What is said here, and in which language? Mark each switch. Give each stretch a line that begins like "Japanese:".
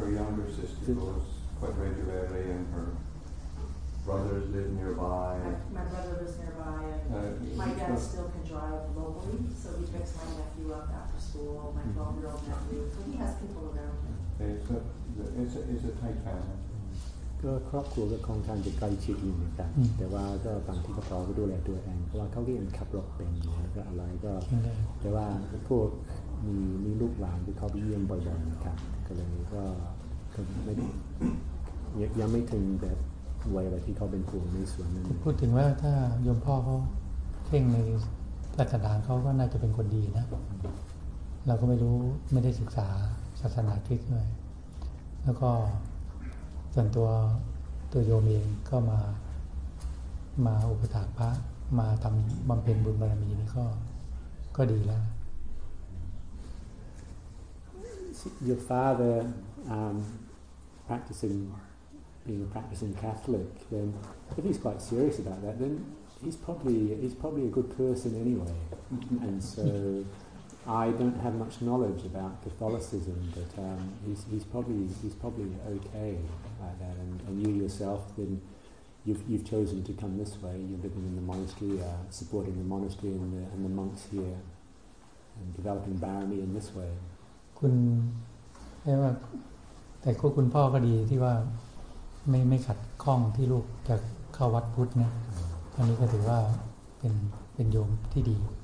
English: her younger sister goes quite regularly and herBrothers live nearby. My brother lives nearby. My dad still can drive locally, so he picks my nephew up after school. My 12-year-old nephew, so he has people around him. It's a tight family.
Thai: ก็ครอบครัวก็คงทางจะใกล้ชิดอยู่เหมือนกันแต่ว่าก็บางที่ก็พอก็ดูแลตัวเองเพราะว่าเขาก็ยังขับรถเป็นอยู่แล้วก็อะไรก็แต่ว่าพวกมีลูกหลานที่เขาไปเยี่ยมบ่อยๆนะครับก็เลยก็ไม่ยังไม่ถึงแบบวัยอะไรที่เขาเป็นห่วงในส่วนนั้น พูดถึงว่าถ้าโยมพ่อเขาเพ่งในศาสนาเขาก็น่าจะเป็นคนดีนะเราก็ไม่รู้ไม่ได้ศึกษาศาสนาคริสต์ด้วยแล้วก็ส่วนตัวโยมเองก็มาอุปถัมภ์พระมาทำบำเพ็ญบุญบารมีนี่ก็ดีแล้ว
English: Your father practicing being a practicing Catholic then but he's quite serious about that then he's probably a good person anyway and so I don't have much knowledge about Catholicism but he's probably okayLike that, and you yourself, then you've chosen to come this way. You're living in the monastery, supporting the monastery and the monks here, and developing barony in this way.
Thai: คุณแค่ว่าแต่คุณพ่อก็ดีที่ว่าไม่ขัดข้องที่ลูกจะเข้าวัดพุทธเนี่ยอันนี้ก็ถือว่าเป็นโยมที่ดี